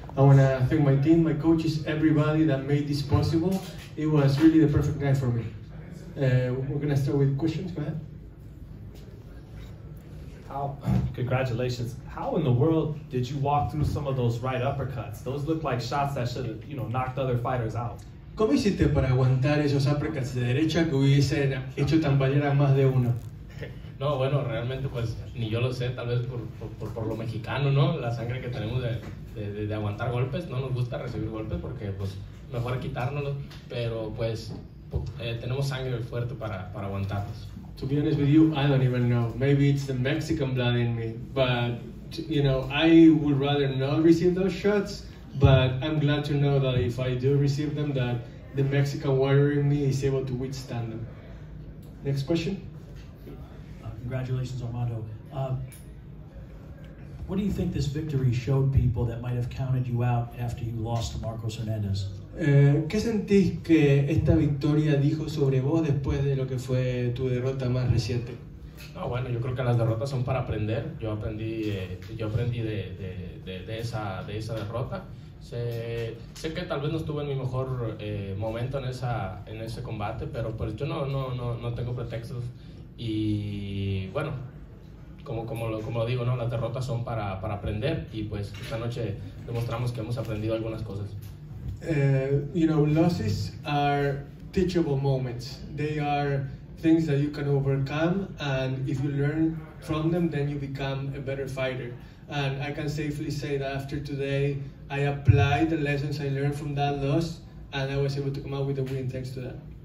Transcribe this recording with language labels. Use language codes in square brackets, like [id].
[en] I want to thank my team, my coaches, everybody that made this possible. It was really the perfect night for me. We're going to start with questions, go ahead. Congratulations. How in the world did you walk through some of those right uppercuts? Those looked like shots that should have, you know, knocked other fighters out. [es] ¿Cómo hiciste para aguantar esos uppercuts de derecha que hubiesen hecho tambalear a más de uno? No, bueno, realmente pues ni yo lo sé, tal vez por lo mexicano, ¿no? La sangre que tenemos de aguantar golpes, no nos gusta recibir golpes porque pues mejor quitárnoslos, pero pues tenemos sangre fuerte para aguantarlos. [en] To be honest with you, I don't even know. Maybe it's the Mexican blood in me, but you know, I would rather not receive those shots, but I'm glad to know that if I do receive them, that the Mexican warrior in me is able to withstand them. Next question. Congratulations, Armando. What do you think this victory showed people that might have counted you out after you lost to Marcos Hernandez? [es] ¿Qué sentís que esta victoria dijo sobre vos después de lo que fue tu derrota más reciente? No, bueno, yo creo que las derrotas son para aprender. Yo aprendí de esa derrota. Sé que tal vez no estuve en mi mejor momento en ese combate, pero pues yo no tengo pretextos. Y bueno, como digo, ¿no? Las derrotas son para aprender y pues esta noche demostramos que hemos aprendido algunas cosas. [en] You know, losses are teachable moments. They are things that you can overcome, and if you learn from them, then you become a better fighter. And I can safely say that after today, I applied the lessons I learned from that loss, and I was able to come out with a win thanks to that.